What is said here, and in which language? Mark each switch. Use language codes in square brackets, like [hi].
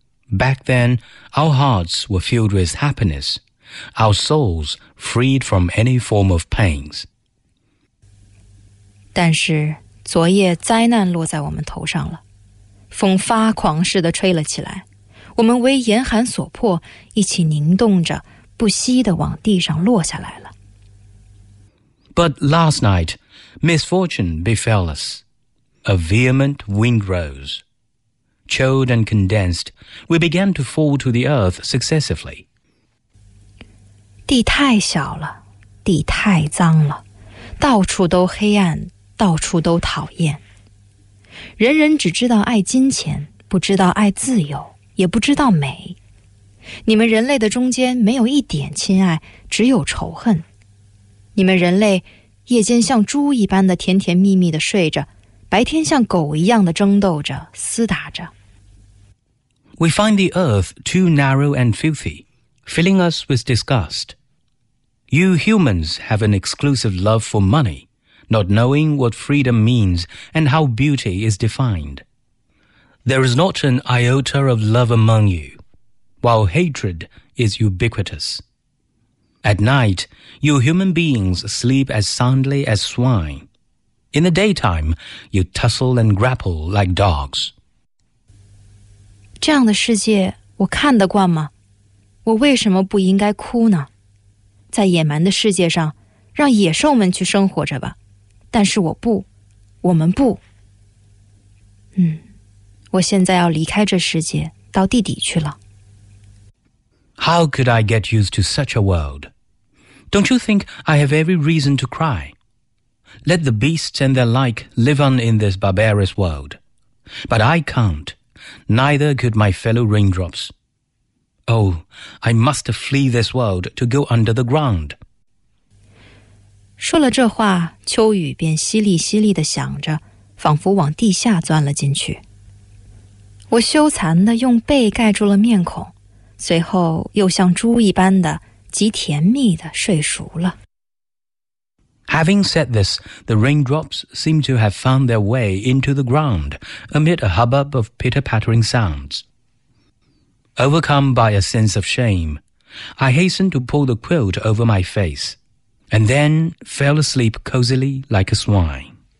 [en] Back then, our hearts were filled with happiness, our souls freed from any form of pains. [zh] 但是昨夜灾难落在我们头上了，风发狂似的吹了起来，我们为严寒所迫，一起凝冻着，不息地往地上落下来了。 [en] But last night, misfortune befell us. A vehement wind rose. Chilled and condensed, we began to fall to the earth successively. [zh] 地太小了，地太脏了，到处都黑暗，到处都讨厌。人人只知道爱金钱，不知道爱自由，也不知道美。你们人类的中间没有一点亲爱，只有仇恨。你们人类夜间像猪一般的甜甜蜜蜜的睡着，白天像狗一样的争斗着，厮打着。 [en] We find the earth too narrow and filthy, filling us with disgust. You humans have an exclusive love for money. Not knowing what freedom means and how beauty is defined. There is not an iota of love among you, while hatred is ubiquitous. At night, you human beings sleep as soundly as swine. In the daytime, you tussle and grapple like dogs. [zh] 这样的世界我看得惯吗？我为什么不应该哭呢？在野蛮的世界上，让野兽们去生活着吧。但是我不，我们不。我现在要离开这世界，到地底去了。 [en] How could I get used to such a world? Don't you think I have every reason to cry? Let the beasts and their like live on in this barbarous world. But I can't, neither could my fellow raindrops. Oh, I must flee this world to go under the ground. [zh] 说了这话，秋雨便淅沥淅沥地响着，仿佛往地下钻了进去。我羞惭地用背盖住了面孔，随后又像猪一般的极甜蜜地睡熟了。 [en] Having said this, the raindrops seem to have found their way into the ground amid a hubbub of pitter-pattering sounds. Overcome by a sense of shame, I hastened to pull the quilt over my face. And then fell asleep cozily like a swine.